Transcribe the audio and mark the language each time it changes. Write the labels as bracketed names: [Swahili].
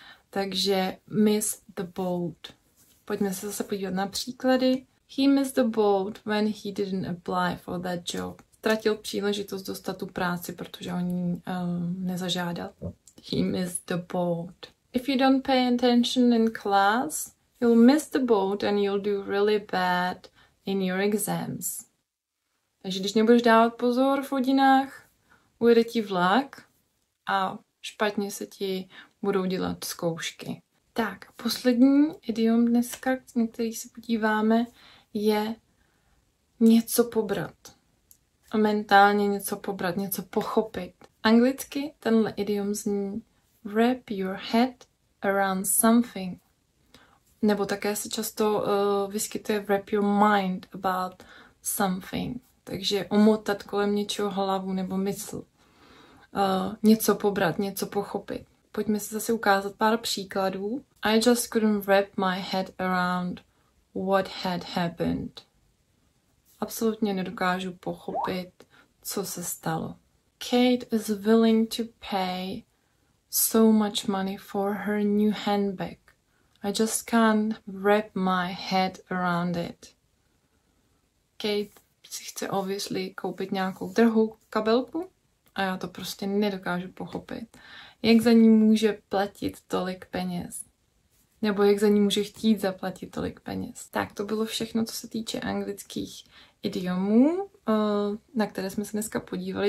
[Czech] Takže miss the boat. Pojďme se zase podívat na příklady. [English] He missed the boat when he didn't apply for that job. [Czech] Ztratil příležitost dostat tu práci, protože o ní nezažádal. [English] He missed the boat. If you don't pay attention in class, you'll miss the boat and you'll do really bad in your exams. [Czech] Takže když nebudeš dávat pozor v hodinách, ujede ti vlak a špatně se ti budou dělat zkoušky. Tak, poslední idiom dneska, na který se podíváme, je něco pobrat. Mentálně něco pobrat, něco pochopit. Anglicky tenhle idiom zní wrap your head around something. Nebo také se často vyskytuje wrap your mind about something. Takže omotat kolem něčeho hlavu nebo mysl. Něco pobrat, něco pochopit. Pojďme se zase ukázat pár příkladů. [English] I just couldn't wrap my head around what had happened. [Czech] Absolutně nedokážu pochopit, co se stalo. [English] Kate is willing to pay so much money for her new handbag. I just can't wrap my head around it. [Czech] Kate si chce obviously koupit nějakou drahou kabelku a já to prostě nedokážu pochopit. Jak za ní může platit tolik peněz? Nebo jak za ní může chtít zaplatit tolik peněz? Tak, to bylo všechno, co se týče anglických idiomů, na které jsme se dneska podívali.